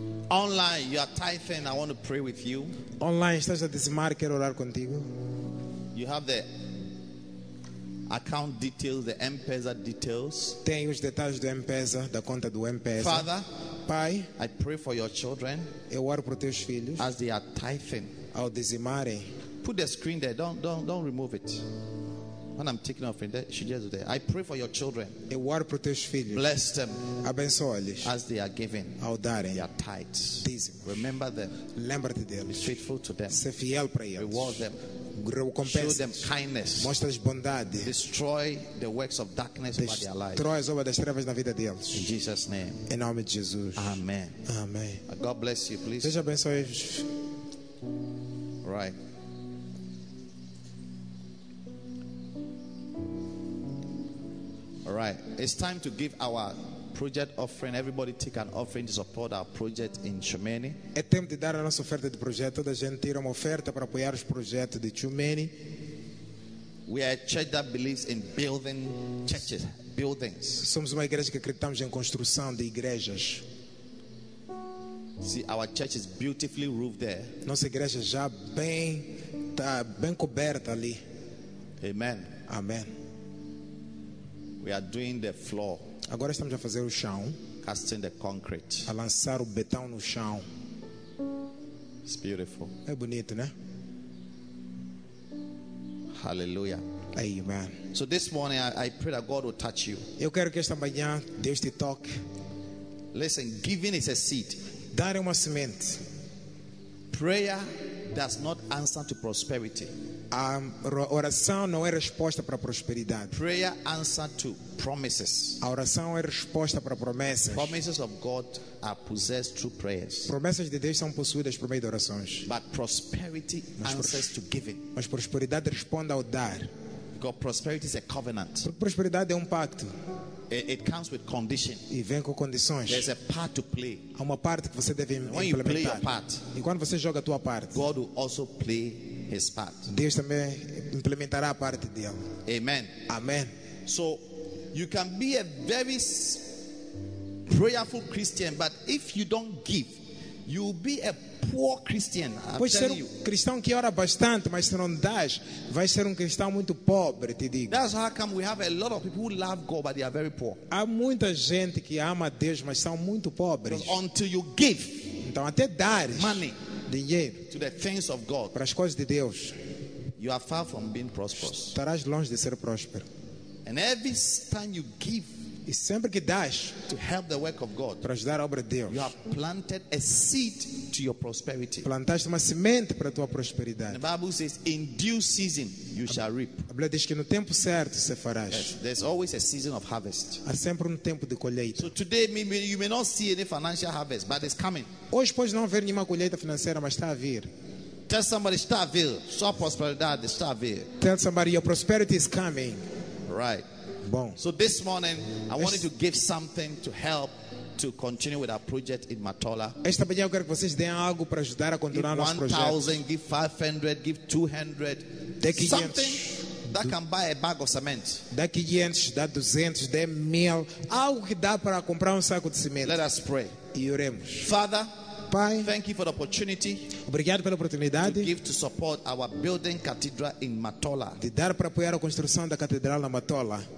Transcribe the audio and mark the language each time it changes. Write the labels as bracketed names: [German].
[English] Online, you are tithing. I want to pray with you. [Portuguese] Online, estás a dizimar, quero orar contigo. [English] You have the account details, the M-Pesa details. [Portuguese] Tem os detalhes do M-Pesa, da conta do M-Pesa. [English] Father, [Portuguese] Pai, [English] I pray for your children. [Portuguese] Eu oro por teus filhos. [English] As they are tithing, [Portuguese] ao dizimarem. [English] Put the screen there. Don't remove it. When I'm taking off, she just there. I pray for your children. Bless them. [Portuguese] Abençoe-lhes. [English] As they are giving. [Portuguese] Ao darem. [English] They are tithes. Remember them. [Portuguese] Lembra-te deles. [English] Be faithful to them. [Portuguese] Ser fiel para eles. [English] Reward them. [Portuguese] Recompense. [English] Show them kindness. [Portuguese] Mostra-lhes bondade. [English] Destroy the works of darkness over their lives. [Portuguese] Destrói as obras das trevas na vida deles. [English] In Jesus' name. [Portuguese] Em nome de Jesus. [English] Amen. [Portuguese] Amen. [English] God bless you, please. [Portuguese] Deus abençoe-vos. [English] Right. Right, it's time to give our project offering. Everybody take an offering to support our project in Chumeni. [Portuguese] É tempo de dar a nossa oferta de projeto. Toda a gente tira uma oferta para apoiar os projetos de Chumeni. [English] We are a church that believes in building churches, buildings. [Portuguese] Somos uma igreja que acreditamos em construção de igrejas. [English] See, our church is beautifully roofed there. [Portuguese] Nossa igreja já tá bem coberta ali. [English] Amen. [Portuguese] Amen. [English] We are doing the floor. [Portuguese] Agora estamos a fazer o chão. [English] Casting the concrete. [Portuguese] A lançar o betão no chão. [English] It's beautiful. [Portuguese] É bonito, né? [English] Hallelujah. [Portuguese] Amen. [English] So this morning I pray that God will touch you. [Portuguese] Eu quero que esta manhã Deus te toque. [English] Listen, giving is a seed. [Portuguese] Dar é uma semente. [English] Prayer does not answer to prosperity. [Portuguese] A oração não é resposta para a prosperidade. [English] Prayer answer to promises. [Portuguese] A oração é resposta para promessas. [English] Promises of God are possessed through prayers. [Portuguese] Promessas de Deus são possuídas por meio de orações. [English] But prosperity answers to giving. [Portuguese] Mas prosperidade responde ao dar. [English] Because prosperity is a covenant. [Portuguese] Porque prosperidade é pacto. [English] It comes with condition. [Portuguese] E vem com condições. [English] There's a part to play. [Portuguese] Há uma parte que você deve implementar. [English] When you play your part, [Portuguese] e quando você joga a tua parte, [English] God will also play his part. [Portuguese] Deus também implementará a parte dele. [English] Amen. [Portuguese] Amen. [English] So you can be a very prayerful Christian, but if you don't give, you'll be a poor Christian. [Portuguese] Pode ser um cristão que ora bastante, mas se não dás, vai ser um cristão muito pobre, te digo. [English] That's how come we have a lot of people who love God, but they are very poor. [Portuguese] Há muita gente que ama Deus, mas são muito pobres. [English] Because until you give, [Portuguese] então até dares [English] money, [Portuguese] dinheiro, [English] to the things of God, [Portuguese] para as coisas de Deus, [English] you are far from being prosperous. [Portuguese] Estarás longe de ser próspero. [English] And every time you give, [Portuguese] e sempre que dás, [English] to help the work of God, [Portuguese] para ajudar a obra de Deus, [English] you have planted a seed to your prosperity. [Portuguese] Plantaste uma semente para a tua prosperidade. [English] The Bible says, in due season you shall reap. [Portuguese] A Bíblia diz que no tempo certo você farás. [English] Yes, there's always a season of harvest. [Portuguese] Há sempre tempo de colheita. [English] So today you may not see any financial harvest, but it's coming. [Portuguese] Hoje pode não ver nenhuma colheita financeira, mas está a vir. [English] Tell somebody, [Portuguese] está a vir. Sua prosperidade está a vir. [English] Tell somebody, your prosperity is coming. Right. [Portuguese] Bom. [English] So this morning, I wanted to give something to help to continue with our project in Matola. [Portuguese] Esta manhã eu quero que vocês deem algo para ajudar a continuar nosso projeto. [English] Give 1,000, give 500, give 200. [Portuguese] Dê 500. [English] Something that can buy a bag of cement. [Portuguese] Dê 500, dá 200, dê 1,000. Algo que dá para comprar saco de cimento. [English] Let us pray. [Portuguese] E oremos. [English] Father, [Portuguese] Pai, [English] thank you for the opportunity. [Portuguese] Obrigado pela oportunidade. [English] To give to support our building cathedral in Matola. [Portuguese] De dar para apoiar a construção da catedral na Matola.